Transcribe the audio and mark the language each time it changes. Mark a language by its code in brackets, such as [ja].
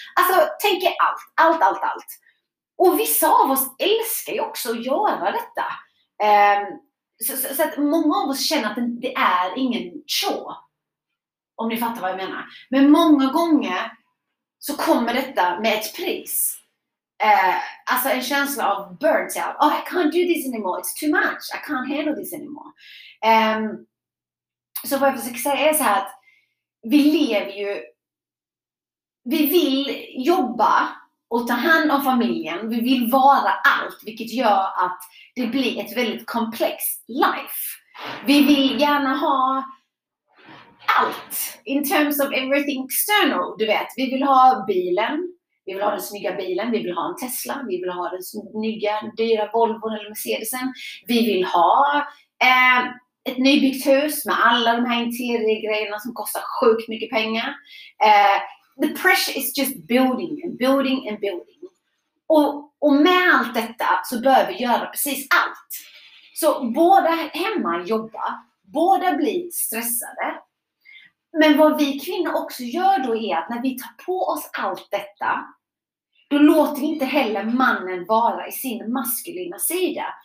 [sv] Alltså tänk er allt. Och vissa av oss älskar ju också att göra detta. Så att många av oss känner att det är ingen chore, om ni fattar vad jag menar. Men många gånger så kommer detta med ett pris. Alltså en känsla av [en] burnt out. Oh, I can't do this anymore. It's too much. I can't handle this anymore. [sv] Så vad jag försöker säga är så här att vi lever ju, vi vill jobba och ta hand om familjen. Vi vill vara allt, vilket gör att det blir ett väldigt komplext life. Vi vill gärna ha allt. [en] In terms of everything external. [sv] Du vet, vi vill ha bilen. Vi vill ha den snygga bilen. Vi vill ha en Tesla. Vi vill ha den snygga, dyra Volvo eller Mercedesen. Vi vill ha ett nybyggt hus med alla de här interiörgrejerna som kostar sjukt mycket pengar. [en] The pressure is just building and building and building. [sv] Och med allt detta så behöver vi göra precis allt. Så båda hemma jobbar. Båda blir stressade. Men vad vi kvinnor också gör då är att när vi tar på oss allt detta. Då låter vi inte heller mannen vara i sin maskulina sida.